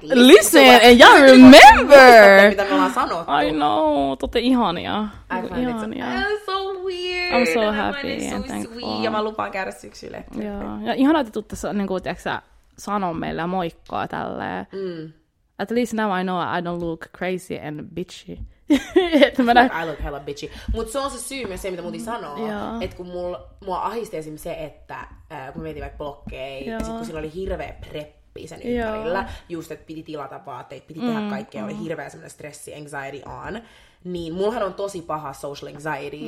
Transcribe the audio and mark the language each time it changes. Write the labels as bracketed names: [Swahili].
[English] listen. Listen, and y'all remember! [Finnish] Mitä me ollaan sanottu. [English] I know, [Finnish] tuotte ihania. [English] I find it so weird. I'm so happy and thankful. Sweet. [Finnish] Ja mä lupaan käydä syksyille. Ja ihanaa, että tuutte, niin kuin, tiedätkö sä, sano meille moikkaa tälleen. Mm. [English] At least now I know I don't look crazy and bitchy. I look hella bitchy. [Finnish] Mut se on se syy myös se, mitä muutin sanoo. Että kun mua ahisti esimerkiksi se, että kun mietin vaikka blokkeja, ja sit kun siinä oli hirveä preppi sen ympärillä, just että piti tilata vaatteet, piti tehdä kaikkea, oli hirveä semmoinen stressi, anxiety on. Niin, mullahan on tosi paha social anxiety.